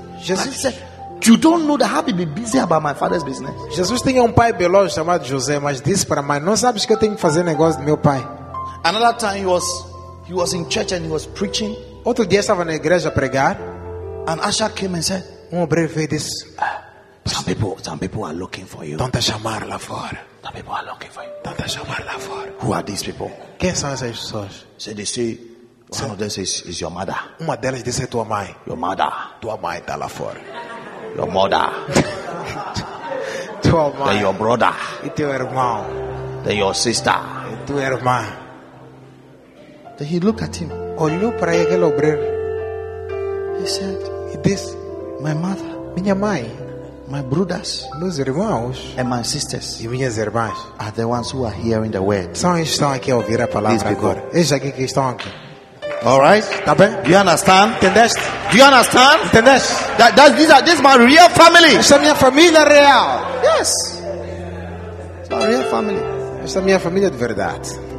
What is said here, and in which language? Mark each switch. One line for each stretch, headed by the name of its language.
English: Jesus said, you don't know that I'll be busy about my father's business.
Portuguese: Jesus tinha pai biológico chamado José, mas disse para a mãe, não sabes que eu tenho que fazer negócio do meu pai.
English: Another time he was in church and he was preaching.
Portuguese: Outro dia estava na igreja a pregar.
English: And Asha came and said,
Portuguese: um obreiro veio e disse,
English: some people are looking for you.
Portuguese: Tanta chamar lá fora.
English: Some people are looking for you.
Portuguese: Tanta chamar lá fora.
English: Who are these people?
Portuguese: Quem são essas pessoas?
English: So they say, one of them says, is your mother.
Portuguese: Uma delas disse, é tua mãe.
English: Your mother.
Portuguese: Tua mãe está lá fora.
English: Your mother,
Portuguese: tua mãe.
English: Then your brother,
Portuguese: e teu irmão.
English: Then your sister,
Portuguese: e tua irmã.
English: Then he looked at him.
Portuguese: Olhou para aquele obreiro.
English: He said, "This, my mother,
Portuguese: minha mãe,
English: my brothers,
Portuguese: meus irmãos,
English: and my sisters,
Portuguese: e minhas irmãs,
English: are the ones who are hearing the word.
Portuguese: São eles que estão aqui a ouvir a palavra agora. Eles aqui que estão aqui."
English: All right,
Portuguese: tá bem?
English: You understand?
Portuguese: Entendeste?
English: Do you understand?
Portuguese: Entendeste?
English: This is my real family.
Portuguese: Esta é minha família real.
English: Yes. It's my real family.
Portuguese: Esta é minha família de verdade.